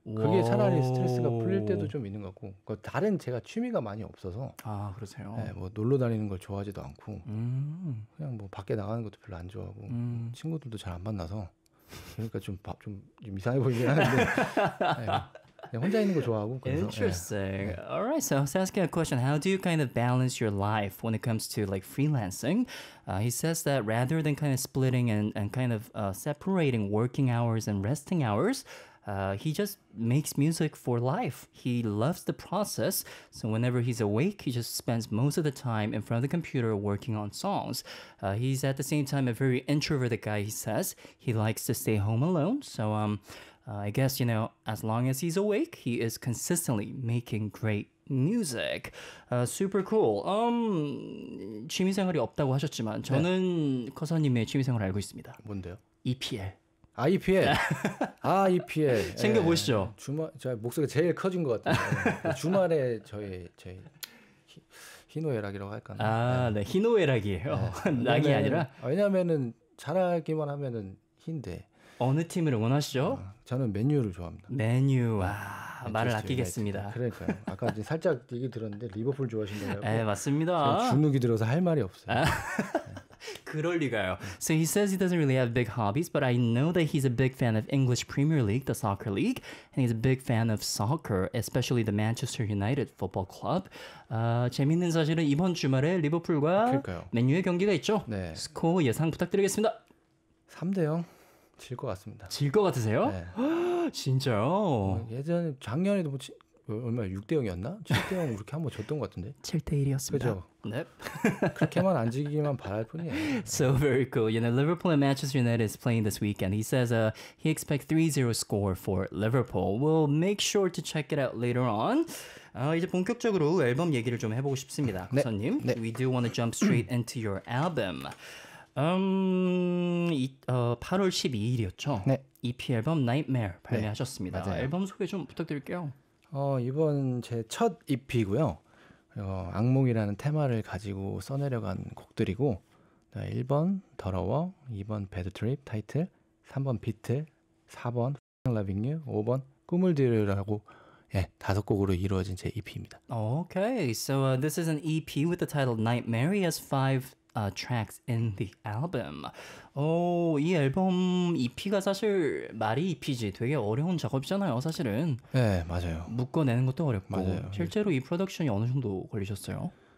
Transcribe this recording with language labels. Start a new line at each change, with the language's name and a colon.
Korean: 그게 차라리 스트레스가 풀릴 때도 좀 있는 것 같고 그러니까 다른 제가 취미가 많이 없어서 아 그러세요? 네, 뭐 놀러 다니는 걸 좋아하지도 않고 그냥 뭐 밖에 나가는 것도 별로 안 좋아하고 친구들도 잘 안 만나서 그러니까 좀 이상해 보이긴 하는데 네, 혼자 있는 걸 좋아하고 그래서,
English: Interesting.
Korean: 네.
English: Alright, so I was asking a question. How do you kind of balance your life when it comes to like freelancing? He says that rather than kind of splitting and kind of separating working hours and resting hours, he just makes music for life. He loves the process. So whenever he's awake, he just spends most of the time in front of the computer working on songs. He's at the same time a very introverted guy, he says. He likes to stay home alone. So I guess, you know, as long as he's awake, he is consistently making great music. Super cool.
Korean: 취미생활이 없다고 하셨지만 저는 네. 커서님의 취미생활을 알고 있습니다. 뭔데요? EPL. 아, EPL. 아, EPL. 챙겨보시죠. 예. 저 목소리가 제일 커진 것 같아요. 주말에 저희 희노애락이라고 할까요? 아, 네. 네. 희노애락이에요. 네. 낙이 아니라? 왜냐하면 잘하기만 하면 힌데. 어느 팀을 원하시죠? 저는 맨유를 좋아합니다. 맨유, 와 말을 아끼겠습니다. 그러니까요. 아까 이제 살짝 얘기 들었는데 리버풀 좋아하신다고요? 네, 맞습니다. 주눅이 들어서 할 말이 없어요. 아. 그럴 리가요.
English: So he says he doesn't really have big hobbies, but I know that he's a big fan of English Premier League, the soccer league, and he's a big fan of soccer, especially the Manchester United Football Club.
Korean: 재밌는 사실은 이번 주말에 리버풀과 맨유의 경기가 있죠? 네. 스코어 예상 부탁드리겠습니다. 3대 0. 질 것 같습니다. 질 것 같으세요? 네. 진짜요? 예전에 작년에도 뭐 얼마야? 6대 0이었나? 7대 0 그렇게 한번 졌던 것 같은데. 7대 1이었습니다. 그렇죠. 넵. 그렇게만 안 지기기만 바랄 뿐이에요.
English: So very cool. You know, Liverpool and Manchester United is playing this weekend. He says he expects 3-0 score for Liverpool. We'll make sure to check it out later on.
Korean: 이제 본격적으로 앨범 얘기를 좀 해보고 싶습니다. 네. 선님. 네.
English: We do want to jump straight into your album.
Korean: 8월 12일이었죠. 네. EP 앨범 Nightmare 발매하셨습니다. 네, 앨범 소개 좀 부탁드릴게요. 이번 제 첫 EP고요. 악몽이라는 테마를 가지고 써내려간 곡들이고, 네, 1번 더러워, 2번 Bad Trip 타이틀, 3번 비틀, 4번 Loving You, 5번 꿈을 들으라고. 예, 다섯 곡으로 이루어진 제 EP입니다.
English: Okay, so this is an EP with the title Nightmare. It has five tracks in the album.
Korean: 이 앨범 EP가 사실 말이 EP지 되게 어려운 작업이잖아요, 사실은. 네, 맞아요. 묶어내는 것도 어렵고. 맞아요. 실제로 이 프로덕션이 어느 정도 걸리셨어요?